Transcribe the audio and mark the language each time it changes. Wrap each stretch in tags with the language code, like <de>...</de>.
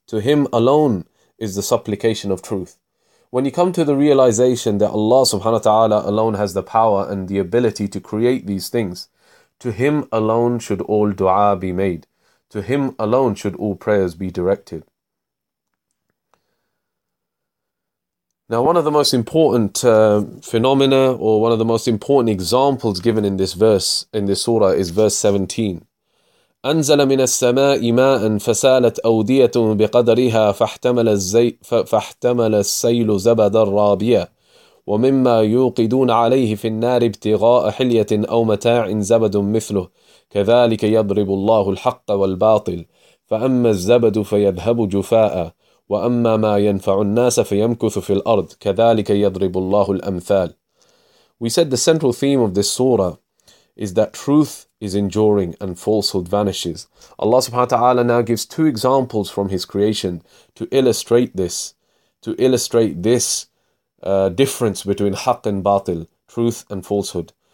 <en>To Him alone is the supplication of truth. When you come to the realization that Allah subhanahu wa ta'ala alone has the power and the ability to create these things, to Him alone should all dua be made. To Him alone should all prayers be directed. Now, one of the most important phenomena or one of the most important examples given in this verse, in this surah, is verse 17.</en> <ar>أنزل من السماء ماء فسالت أودية بقدرها فاحتمل السيل زبدا رابيا ومما يوقدون عليه في النار ابتغاء حلية أو متاع زبد مثله كذلك يضرب الله الحق والباطل فأما الزبد فيذهب جفاء وأما ما ينفع الناس فيمكث في الأرض كذلك يضرب الله الأمثال.</ar> <en>We said the central theme of this surah is that truth is enduring and falsehood vanishes. Allah subhanahu wa ta'ala now gives two examples from His creation to illustrate this, difference between haqq and batil, truth and falsehood.</en>